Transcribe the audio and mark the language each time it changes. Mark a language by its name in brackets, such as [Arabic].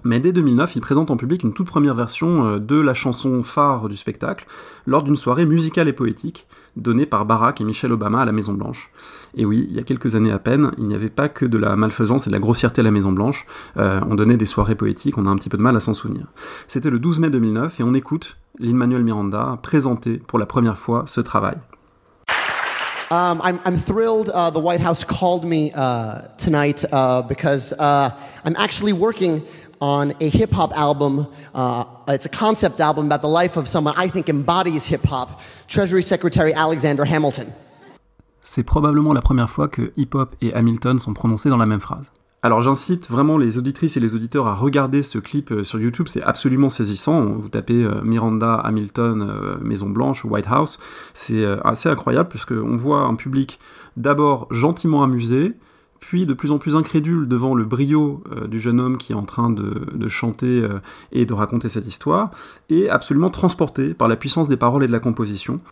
[French] Mais dès 2009, il présente en public une toute première version de la chanson phare du spectacle, lors d'une soirée musicale et poétique, donnée par Barack et Michelle Obama à la Maison Blanche. Et oui, il y a quelques années à peine, il n'y avait pas que de la malfaisance et de la grossièreté à la Maison Blanche, on donnait des soirées poétiques, on a un petit peu de mal à s'en souvenir. C'était le 12 mai 2009, et on écoute Lin-Manuel Miranda présenter pour la première fois ce travail. [English] I'm thrilled the White House called me tonight because I'm actually working on a hip-hop album. It's a concept album about the life of someone I think embodies hip-hop, Treasury Secretary Alexander Hamilton. [French] C'est probablement la première fois que hip-hop et Hamilton sont prononcés dans la même phrase. Alors j'incite vraiment les auditrices et les auditeurs à regarder ce clip sur YouTube, c'est absolument saisissant. Vous tapez Miranda Hamilton, Maison Blanche, White House, c'est assez incroyable puisqu'on voit un public d'abord gentiment amusé, puis de plus en plus incrédule devant le brio du jeune homme qui est en train de chanter et de raconter cette histoire, et absolument transporté par la puissance des paroles et de la composition.